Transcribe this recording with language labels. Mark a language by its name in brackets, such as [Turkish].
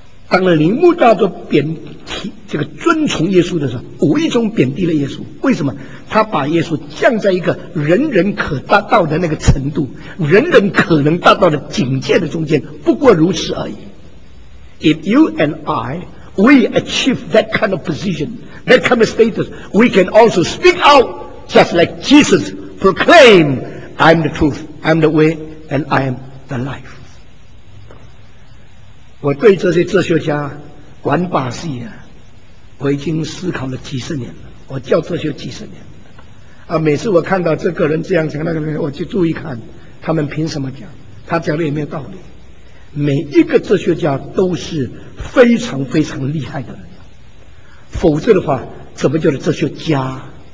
[Chinese] 当了铃木大作贬低这个尊崇耶稣的时候，无意中贬低了耶稣。为什么？他把耶稣降在一个人人可达到的那个程度，人人可能达到的境界的中间，不过如此而已。 [English] If you and I we achieve that kind of position, that kind of status, we can also speak out just like Jesus proclaim, I'm the truth, I'm the way, and I am the life. [Chinese] 我对这些哲学家玩把戏啊，我已经思考了几十年了。我教哲学几十年啊，每次我看到这个人这样讲那个人，我就注意看他们凭什么讲，他讲的有没有道理。每一个哲学家都是非常非常厉害的人，否则的话怎么叫做哲学家？